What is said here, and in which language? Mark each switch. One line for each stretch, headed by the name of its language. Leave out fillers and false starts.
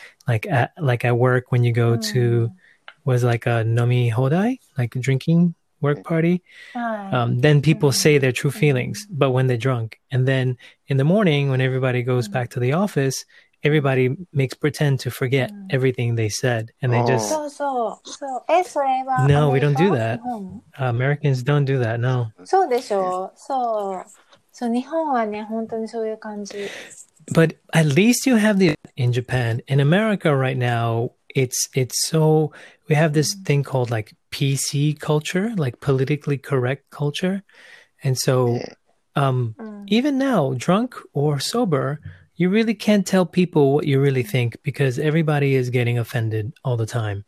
English: Like at work, when you go to, was like a nomi hodai, like a drinking work party, then people say their true feelings, but when they're drunk. And then in the morning, when everybody goes back to the office, everybody makes pretend to forget everything they said. And they just, no, we don't do that. Americans don't do that, no.
Japanese: So, 日本はね、本当にそういう感じ。
English: But at least you have the in Japan. In America right now, it's so we have this thing called like PC culture, like politically correct culture. And so even now, drunk or sober, you really can't tell people what you really think because everybody is getting offended all the time.